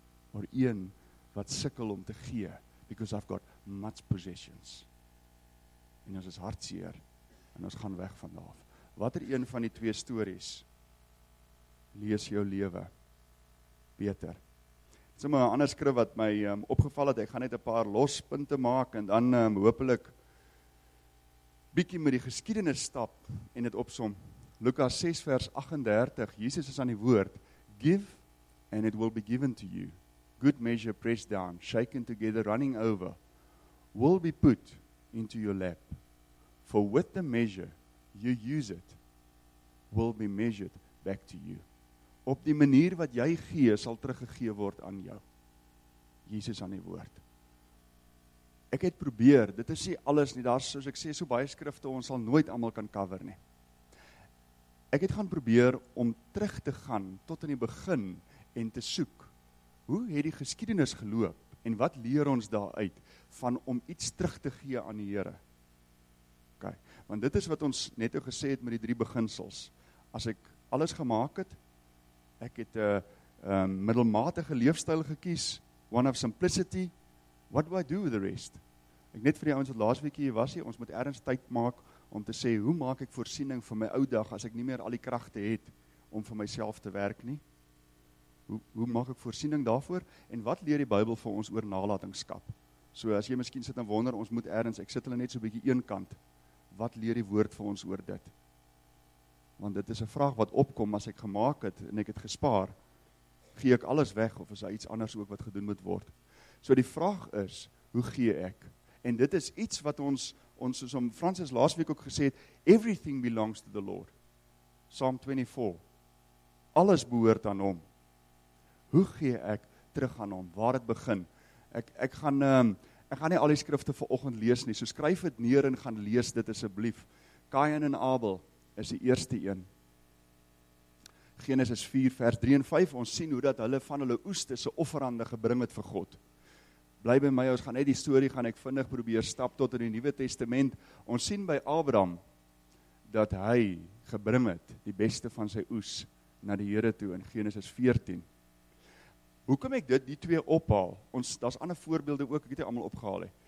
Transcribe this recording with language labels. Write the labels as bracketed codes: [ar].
[af] Of een wat sukkel om te gee, [en] because I've got much possessions. [af] En ons is hartseer, en ons gaan weg vanaf. Watter een van die twee stories lees jou lewe beter? Dit is maar 'n ander skrif wat my opgeval het, ek gaan net 'n paar lospunte maak, en dan hopelik bietjie met die geskiedenis stap, en dit opsom. Lukas 6 vers 38, Jesus is aan die woord, [en] give and it will be given to you, good measure pressed down, shaken together, running over, will be put into your lap, for with the measure you use it, will be measured back to you. [af] Op die manier wat jy gee, sal teruggegee word aan jou. Jesus aan die woord. Ek het probeer, dit is nie alles nie, daar soos ek sê, so baie skrifte, ons sal nooit allemaal kan cover nie. Ek het gaan probeer om terug te gaan, tot in die begin, en te soek, hoe het die geskiedenis geloop, en wat leer ons daaruit, van om iets terug te gee aan die Here? Okay, want dit is wat ons net al gesê het met die drie beginsels. As ek alles gemaak het, ek het 'n middelmatige leefstyl gekies, [en] one of simplicity, what do I do with the rest? [af] Ek net vir die ouens wat laas week hier was, ons moet ergens tyd maak om te sê, hoe maak ek voorsiening vir my ou dag, as ek nie meer al die kragte het om vir myself te werk nie? Hoe maak ek voorsiening daarvoor? En wat leer die Bybel vir ons oor nalatingskap? So as jy miskien sit en wonder, ons moet ergens, ek sit hulle net so 'n bietjie een kant, wat leer die woord vir ons oor dit? Want dit is 'n vraag wat opkom, as ek gemaak het en ek het gespaar, gee ek alles weg of is daar iets anders ook wat gedoen moet word? So die vraag is, hoe gee ek? En dit is iets wat ons soos om Francis laasweek ook gesê het, [en] everything belongs to the Lord. [af] Psalm 24. Alles behoort aan hom. Hoe gee ek terug aan hom? Waar het begin? Ek gaan nie al die skrifte vir oggend lees nie, so skryf dit neer en gaan lees dit asseblief. Kain en Abel is die eerste een. Genesis 4 vers 3 en 5, ons sien hoe dat hulle van hulle oeste se offerande gebring het vir God. Bly by my, ons gaan net die storie, gaan ek vinnig probeer stap tot in die Nuwe Testament. Ons sien by Abraham dat hy gebring het die beste van sy oes na die Here toe in Genesis 14. Hoekom ek dit, die twee ophaal? Ons, daar's ander voorbeelde ook, ek het dit allemaal opgehaal.